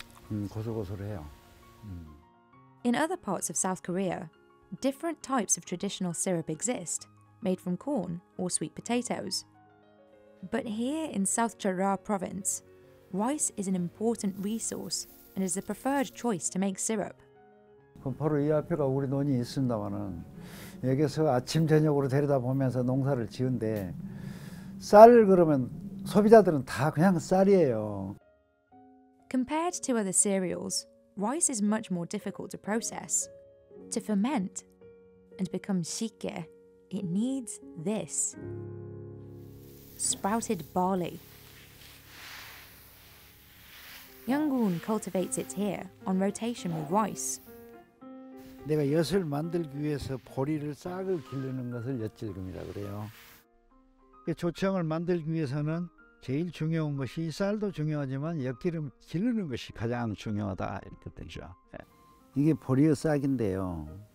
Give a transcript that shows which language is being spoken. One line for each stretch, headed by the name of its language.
English: In other parts of South Korea, different types of traditional syrup exist, made from corn or sweet potatoes. But here in South Chara province, rice is an important resource and is the preferred choice to make syrup.
Korean: 바로 이 앞에가 우리 논이 있습니다만은 여기서 아침 저녁으로 데려다 보면서 농사를 지은데 쌀 그러면 소비자들은 다 그냥 쌀이에요.
English: Compared to other cereals, rice is much more difficult to process, to ferment, and become sikkye. It needs this, sprouted barley. Yungun cultivates it here on rotation with rice.
Korean: 내가 엿을 만들기 위해서 보리를 싹을 기르는 것을 엿질금이라 그래요. 조청을 만들기 위해서는 제일 중요한 것이 쌀도 중요하지만 엿기름 기르는 것이 가장 중요하다 이렇게 되죠. 이게 보리의 싹인데요.